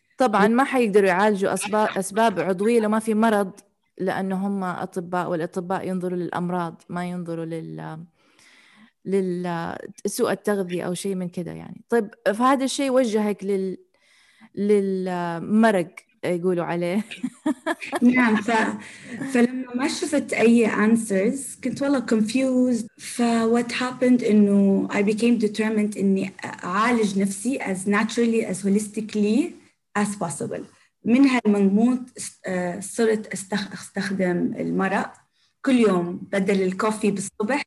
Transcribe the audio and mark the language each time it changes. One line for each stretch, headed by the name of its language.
Arabic: طبعاً ما حيقدروا يعالجوا أسباب عضوية لو ما في مرض، لأنه هم أطباء والأطباء ينظروا للأمراض ما ينظروا للسوء التغذية أو شيء من كده يعني. طيب فهذا الشيء وجهك للمرق يقولوا عليه. نعم. فلما ما شفت أي answers كنت والله confused.
English: ف what happened إنه I became determined
Arabic: إني أعالج نفسي
English: as naturally as holistically as possible.
Arabic: من هالمنموط صرت استخدم المرق كل يوم بدل الكوفي بالصبح.